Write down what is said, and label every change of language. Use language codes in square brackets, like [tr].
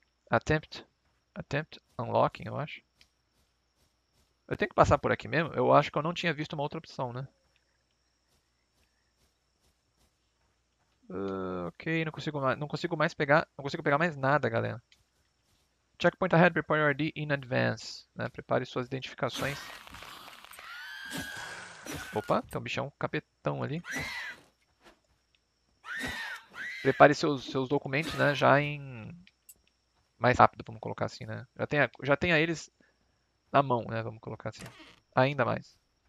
[en] Attempt unlocking, [pt] eu acho. Eu tenho que passar por aqui mesmo? Eu acho que eu não tinha visto uma outra opção, né? Ok, não consigo mais pegar. Não consigo pegar mais nada, galera. [en] Checkpoint ahead, prepare your ID in advance. [pt] Né? Prepare suas identificações. Opa, tem um bichão capetão ali. Prepare seus documentos, né? Já em. Mais rápido, vamos colocar assim, né? Já tenha eles. Na mão, né? Vamos colocar assim. Ainda mais.